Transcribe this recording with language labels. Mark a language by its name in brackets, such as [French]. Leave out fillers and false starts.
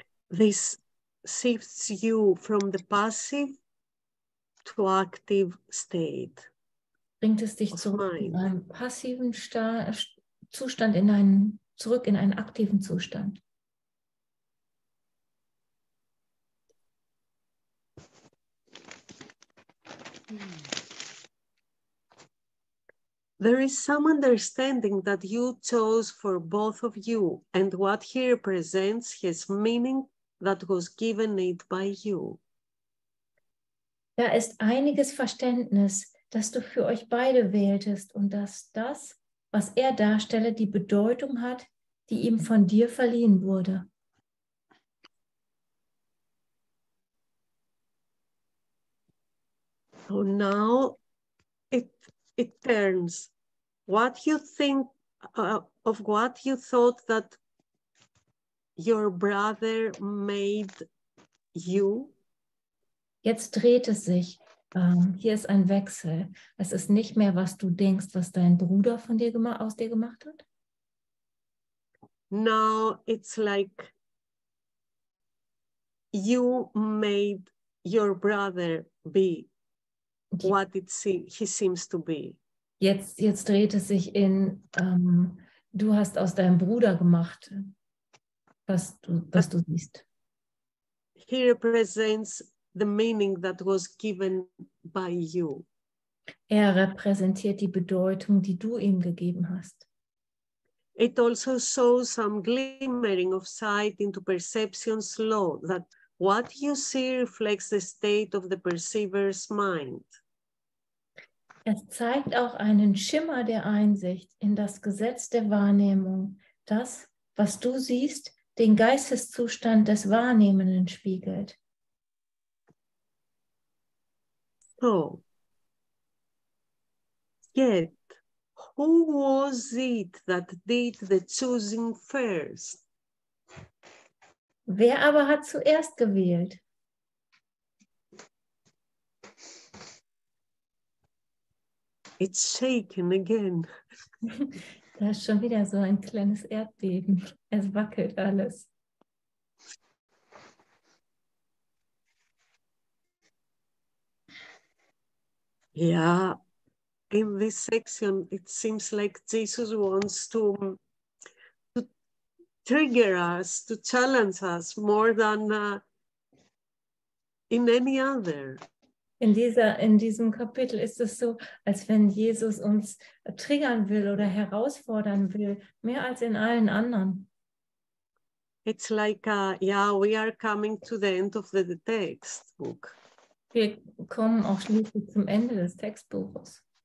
[English] This shifts you from the passive to active state. [German] Bringt es dich zurück in einen passiven Zustand, in einen zurück in einen aktiven Zustand. [English] There is some understanding that you chose for both of you, and what he represents has meaning that was given it by you. [German] Da ist einiges Verständnis, das du für euch beide wähltest und dass das, was er darstelle, die Bedeutung hat, die ihm von dir verliehen wurde. [English] So now it turns. What you think of what you thought that your brother made you? [German] Jetzt dreht es sich. Hier ist ein Wechsel. Es ist nicht mehr, was du denkst, was dein Bruder von dir aus dir gemacht hat. [English] Now it's like you made your brother be what it he seems to be. [German] Jetzt dreht es sich in du hast aus deinem Bruder gemacht, was du siehst. [English] He represents the meaning that was given by you. [German] Er repräsentiert die Bedeutung, die du ihm gegeben hast. [English] It also shows some glimmering of sight into perception's law that what you see reflects the state of the perceiver's mind. [German] Es zeigt auch einen Schimmer der Einsicht in das Gesetz der Wahrnehmung, das, was du siehst, den Geisteszustand des Wahrnehmenden spiegelt. [English] So, yet, who was it that did the choosing first? [German] Wer aber hat zuerst gewählt? [English] It's shaken again. [German] Da ist schon wieder so ein kleines Erdbeben. Es wackelt alles. [English] Yeah, in this section it seems like Jesus wants to trigger us, to challenge us more than in any other. [German] In diesem Kapitel ist es so, als wenn Jesus uns triggern will oder herausfordern will, mehr als in allen anderen. [English] It's like, we are coming to the end of the textbook. [German] Wir kommen auch schließlich zum Ende des Textbuches.